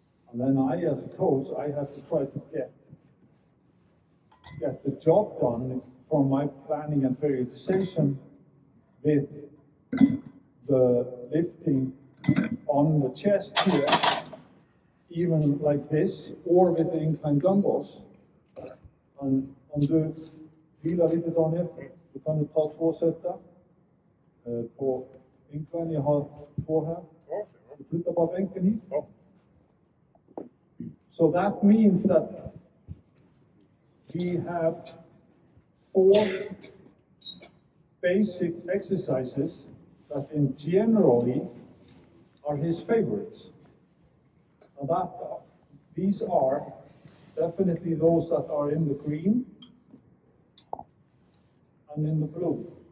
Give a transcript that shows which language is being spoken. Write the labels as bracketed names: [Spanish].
[English] And then I, as a coach, I have to try to get the job done for my planning and periodization with the lifting on the chest here, even like this, or with the incline dumbbells. And on the [Swedish] vila lite Daniel, du kan ta två sätta på incline, jag har två här. Du flyttar bara bänken hit. [English] So that means that we have four basic exercises that in generally are his favorites. And these are definitely those that are in the green and in the blue.